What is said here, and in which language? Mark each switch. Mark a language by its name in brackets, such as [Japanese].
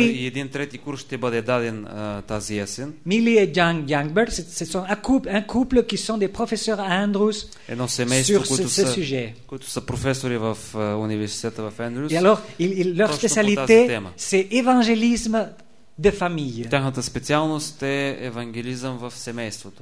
[Bulgarian] един трети курс ще бъде даден тази есен. [French] Milly et Jan Youngberg, ce sont un couple qui sont des professeurs à Andrews. Et non, c'est mes [Bulgarian] които са професори в университета в Andrews. [French] Et alors, leur spécialité, c'est évangélisme de famille. [Bulgarian] Тяхната специалност е евангелизъм в семейството.